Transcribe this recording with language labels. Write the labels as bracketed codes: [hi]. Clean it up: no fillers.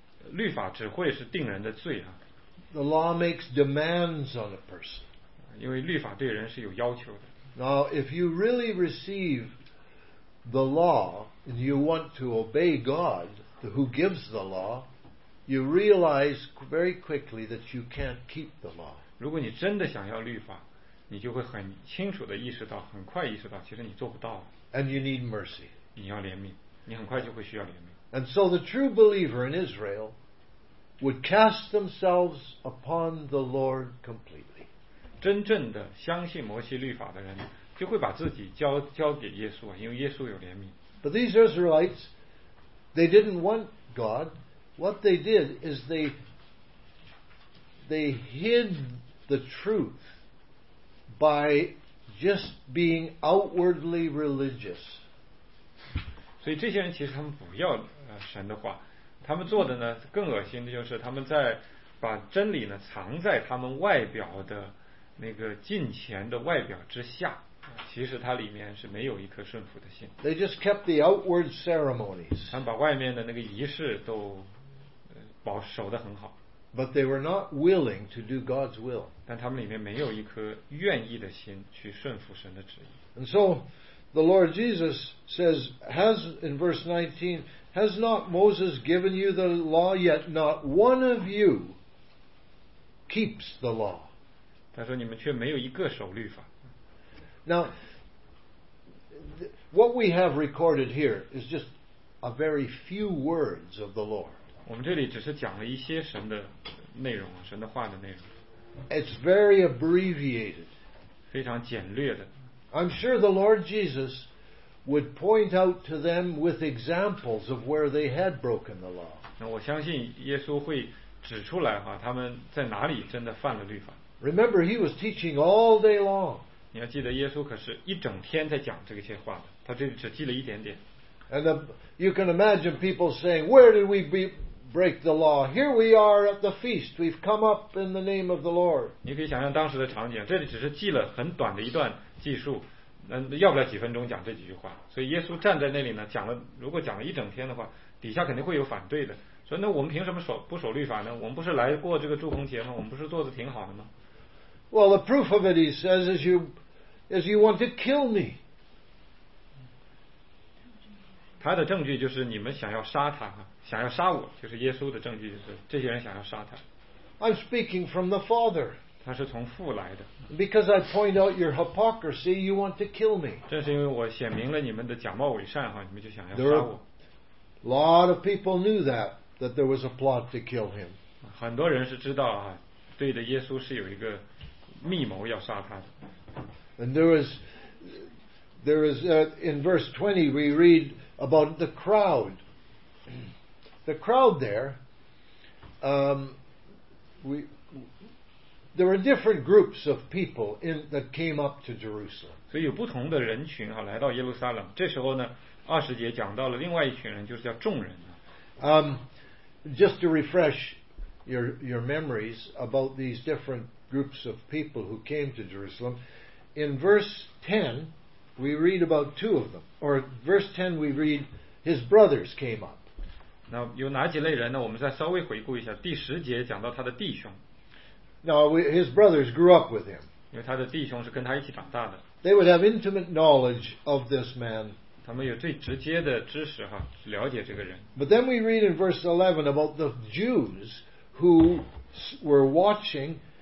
[zh] 律法只会是定人的罪啊。 [en] The law makes demands on a person. [zh] 因为律法对人是有要求的。 [en] Now, if you really receive the law and you want to obey God, who gives the law, you realize very quickly that you can't keep the law. [zh] 如果你真的想要律法，你就会很清楚地意识到，很快意识到，其实你做不到。 [en] And you need mercy. [zh] 你要怜悯，你很快就会需要怜悯。 [en] And so the true believer in Israel would cast themselves upon the Lord completely. [zh] 真正的相信摩西律法的人就会把自己 交给耶稣，因为耶稣有怜悯。 [en] But these Israelites, they didn't want God. What they did is they hid the truth by just being outwardly religious. [zh] 所以这些人其实他们不要神的话，他们做的呢更恶心的就是他们在把真理呢藏在他们外表的那个金钱的外表之下，其实它里面是没有一颗顺服的心。 [en] They just kept the outward ceremonies. [zh] 他们把外面的那个仪式都保守得很好。 [en] But they were not willing to do God's will. [zh] 但他们里面没有一颗愿意的心去顺服神的旨意。 [en] And so the Lord Jesus says, has in verse 19, has not Moses given you the law yet? Not one of you keeps the law. [zh] 他说你们却没有一个守律法。 [en] Now, what we have recorded here is just a very few words of the Lord. [zh] 我们这里只是讲了一些神的内容，神的话的内容。 [en] It's very abbreviated. [zh] 非常简略的。 [en] I'm sure the Lord Jesus would point out to them with examples of where they had broken the law. [zh] 那我相信耶稣会指出来哈，他们在哪里真的犯了律法。 [en] Remember, he was teaching all day long. [zh] 你要记得，耶稣可是一整天在讲这些话的，他这里只记了一点点。 [en] And you can imagine people saying, "Where did we break the law? Here we are at the feast. We've come up in the name of the Lord." [zh] 你可以想象当时的场景，这里只是记了很短的一段记述，要不了几分钟讲这几句话。所以耶稣站在那里呢，讲了，如果讲了一整天的话，底下肯定会有反对的。所以那我们凭什么不守律法呢？我们不是来过这个祝棚节吗？我们不是做得挺好的吗？ [en] Well, the proof of it, he says, is you want to kill me. [zh] 他的证据就是你们想要杀他，想要杀我，就是耶稣的证据，就是这些人想要杀他。 [en] I'm speaking from the Father. [zh] 他是从父来的。 [en] Because I point out your hypocrisy, you want to kill me. [zh] 正是因为我显明了你们的假冒伪善，你们就想要杀我。 [en] A lot of people knew that there was a plot to kill him. [zh] 很多人是知道啊，对的，耶稣是有一个密谋要杀他的。 [en] And there is in verse 20 we read about the crowd. The crowd there were different groups of people that came up to Jerusalem. [zh] 所以有不同的人群啊来到耶路撒冷。这时候呢，二十节讲到了另外一群人，就是叫众人。 [en] Just to refresh your memories about these different groups of people who came to Jerusalem, in verse 10, we read about two of them. Or verse 10, we read his brothers came up. [zh] 那有哪几类人呢？我们再稍微回顾一下。第十节讲到他的弟兄。 [en] Now his brothers grew up with him. [zh] 因为他的弟兄是跟他一起长大的。 [en] They would have intimate knowledge of this man. [zh] 他们有最直接的知识哈，了解这个人。 [en] But then we read in verse 11 about the Jews who were watching.